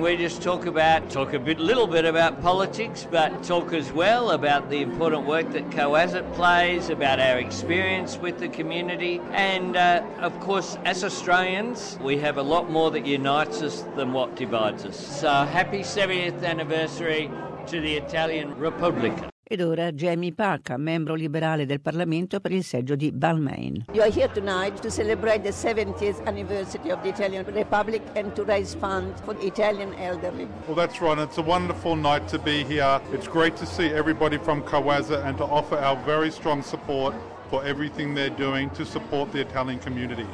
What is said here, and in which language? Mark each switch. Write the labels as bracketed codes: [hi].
[en] We just talk a little bit about politics, but talk as well about the important work that COASIT plays, about our experience with the community. And, of course, as Australians, we have a lot more that unites us than what divides us. So happy 70th anniversary to the Italian Republic. [it] Ed ora Jamie Parker, membro liberale del Parlamento per il seggio di Balmain. [en] You are here tonight to celebrate the 70th anniversary of the Italian Republic and to raise funds for the Italian elderly. Well, that's right. It's a wonderful night to be here. It's great to see everybody from COASIT and to offer our very strong support for everything they're doing to support the Italian community.